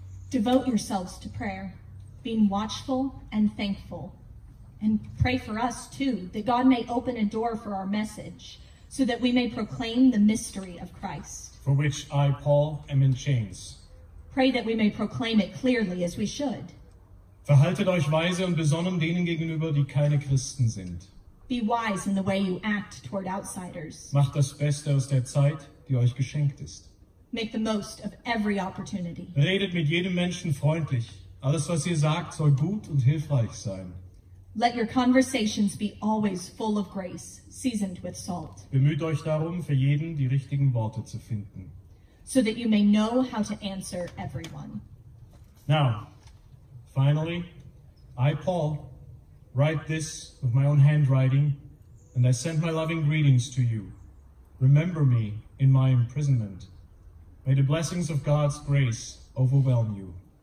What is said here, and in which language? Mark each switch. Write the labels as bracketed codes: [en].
[en] Devote yourselves to prayer, being watchful and thankful. And pray for us too, that God may open a door for our message, so that we may proclaim the mystery of Christ. For which I, Paul, am in chains. Pray that we may proclaim it clearly as we should. [de] Verhaltet euch weise und besonnen denen gegenüber, die keine Christen sind. [en] Be wise in the way you act toward outsiders. [de] Macht das Beste aus der Zeit, die euch geschenkt ist. [en] Make the most of every opportunity. [de] Redet mit jedem Menschen freundlich. Alles, was ihr sagt, soll gut und hilfreich sein. [en] Let your conversations be always full of grace, seasoned with salt. [de] Bemüht euch darum, für jeden die richtigen Worte zu finden. [en] So that you may know how to answer everyone. Now, finally, I, Paul, write this with my own handwriting, and I send my loving greetings to you. Remember me in my imprisonment. May the blessings of God's grace overwhelm you.